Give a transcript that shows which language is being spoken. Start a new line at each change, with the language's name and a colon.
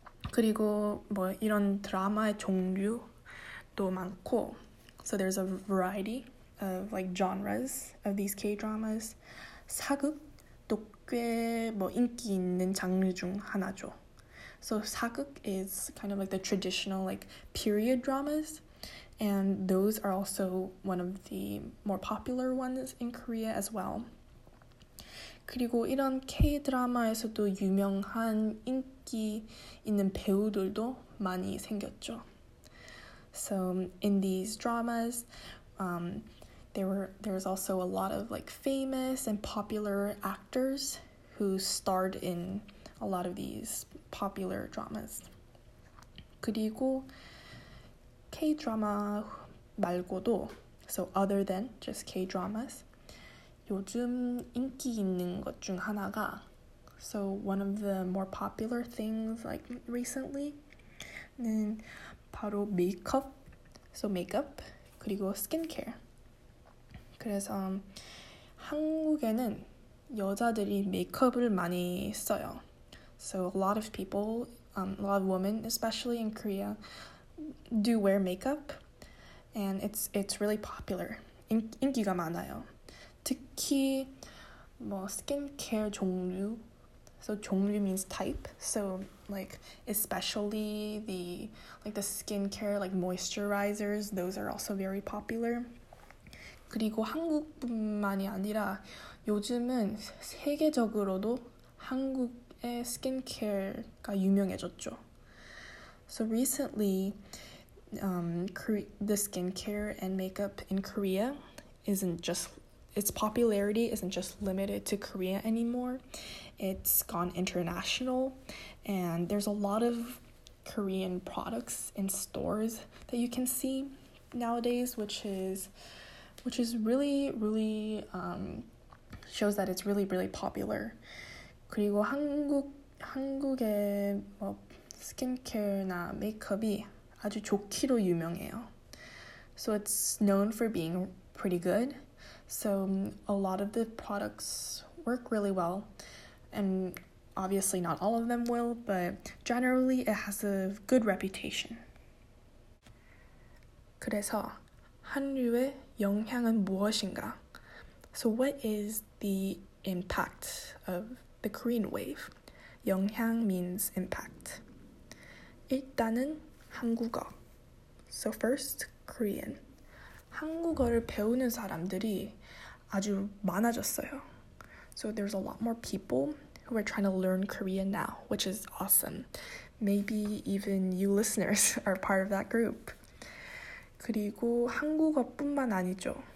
Korean: 그리고 뭐 이런 드라마의 종류도 많고.
English: So there's a variety of like genres of these K-dramas. 사극.
Korean: 꽤 뭐 인기 있는 장르 중 하나죠.
English: So 사극 is kind of like the traditional like period dramas, and those are also one of the more popular ones in Korea as well.
Korean: 그리고 이런 K-드라마에서도 유명한 인기 있는 배우들도 많이 생겼죠.
English: So in these dramas, there's also a lot of like famous and popular actors who starred in a lot of these popular dramas.
Korean: 그리고 K-drama 말고도,
English: so other than just K-dramas,
Korean: 요즘 인기 있는 것 중 하나가,
English: so one of the more popular things like recently는
Korean: 바로 메이크업,
English: so makeup, 그리고 skincare.
Korean: 그래서 한국에는 여자들이 메이크업을 많이 써요.
English: So a lot of people, a lot of women, especially in Korea, do wear makeup. And it's really popular.
Korean: 인기가 많아요. 특히 뭐 스킨케어 종류,
English: So 종류 means type. So like especially the like the skincare like moisturizers, those are also very popular.
Korean: 그리고 한국뿐만이 아니라 요즘은 세계적으로도 한국의 스킨케어가 유명해졌죠.
English: So recently, the skincare and makeup in Korea isn't just its popularity isn't just limited to Korea anymore. It's gone international, and there's a lot of Korean products in stores that you can see nowadays, which is really, really shows that it's really, really popular.
Korean: 그리고 한국의 뭐 스킨케어나 메이크업이 아주 좋기로 유명해요.
English: So it's known for being pretty good. So a lot of the products work really well. And obviously not all of them will, but generally it has a good reputation.
Korean: 그래서 한류의 영향은 무엇인가?
English: So what is the impact of the Korean wave?
Korean: 영향
English: means impact.
Korean: 일단은 한국어.
English: So first, Korean.
Korean: 한국어를 배우는 사람들이 아주 많아졌어요.
English: So there's a lot more people who are trying to learn Korean now, which is awesome. Maybe even you listeners are part of that group.
Korean: 그리고 한국어뿐만 아니죠.